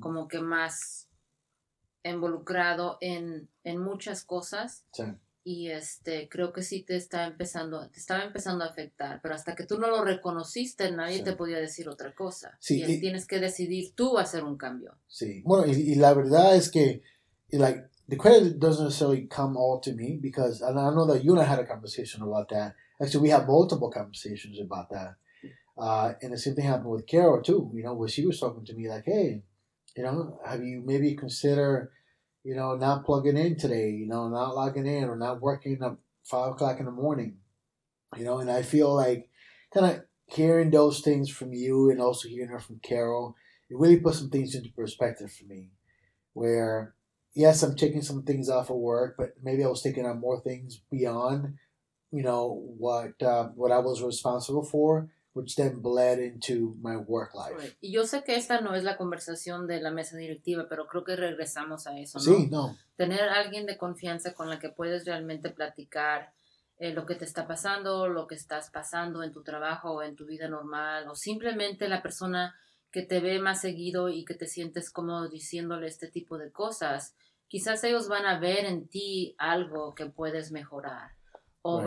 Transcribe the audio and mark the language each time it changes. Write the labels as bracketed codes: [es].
[es] como que más involucrado en muchas cosas. Sí. Y creo que sí te estaba empezando a afectar. Pero hasta que tú no lo reconociste, nadie sí. te podía decir otra cosa. Sí. Y tienes que decidir tú hacer un cambio. Sí. Bueno, y la verdad es que, [en] like, the credit doesn't necessarily come all to me because I know that you and I had a conversation about that. Actually, we had multiple conversations about that. And the same thing happened with Carol, too, you know, where she was talking to me like, hey, you know, have you maybe consider, you know, not plugging in today, you know, not logging in or not working at 5 o'clock in the morning, you know, and I feel like kind of hearing those things from you and also hearing her from Carol, it really put some things into perspective for me where, yes, I'm taking some things off of work, but maybe I was taking on more things beyond, you know, what I was responsible for. Which then bled into my work life. Right. [es] Y yo sé que esta no es la conversación de la mesa directiva, pero creo que regresamos a eso, ¿no? Sí, no. Tener alguien de confianza con la que puedes realmente platicar lo que te está pasando, lo que estás pasando en tu trabajo o en tu vida normal, o simplemente la persona que te ve más seguido y que te sientes cómodo diciéndole este tipo de cosas, quizás ellos van a ver en ti algo que puedes mejorar. O [en] right.